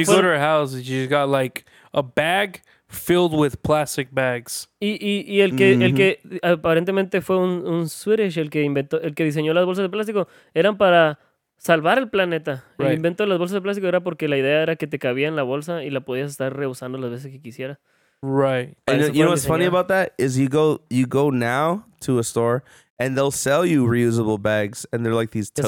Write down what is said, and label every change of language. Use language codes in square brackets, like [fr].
[en] She go to her house and she's got like a bag filled with plastic bags. [es] Y el que el que aparentemente fue un Swedish el que inventó, el que diseñó las bolsas de plástico, eran para salvar el planeta. Right. El invento de las bolsas de plástico era porque la idea era que te cabía en la bolsa y la podías estar reusando las veces que quisiera. [en] Right. And you know what's funny about that is you go now to a store and they'll sell you reusable bags and they're like these totes.